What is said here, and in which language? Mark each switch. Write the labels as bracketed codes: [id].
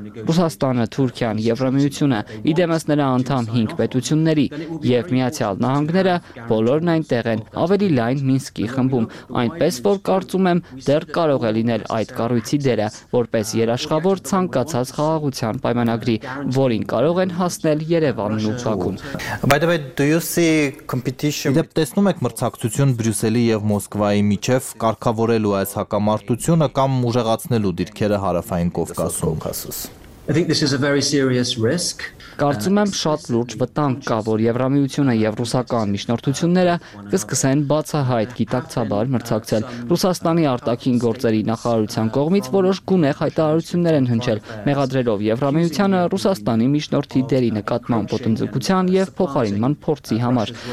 [hy] Ռուսաստանը, Թուրքիան, Եվրամիությունը, իդեմս նրա անդամ 5 պետությունների եւ Միացյալ Նահանգները, բոլորն այնտեղ են, ավելի լայն Մինսկի խմբում, այնպես որ կարծում եմ, դեռ կարող է լինել այդ կառույցի դերը որպես երաշխավոր ցանկացած խաղաղության պայմանագրի, որին կարող են հասնել Երևանն ու Բաքուն։ [en] By the way, do you see competition? [hy] Դեպ տեսնում եք մրցակցություն Բրյուսելի եւ Մոսկվայի միջև կարգավորելու այս հակամարտությունը կամ ուժեղացնելու դիրքերը Հարավային Կովկասում։ [en] I think this is a very serious risk. [hy] Կարծում եմ, շատ լուրջ վտանգ կա, որ Եվրամիությունը եւ ռուսական միջնորդությունները կսկսեն բացահայտ գիտակցաբար մրցակցել։ Ռուսաստանի արտաքին գործերի նախարարության կողմից որոշ գունեղ հայտարարություններ են հնչել, մեղադրելով Եվրամիությանը Ռուսաստանի միջնորդի դերի նկատմամբ ոտնձգության եւ փոխարինման փորձի համար։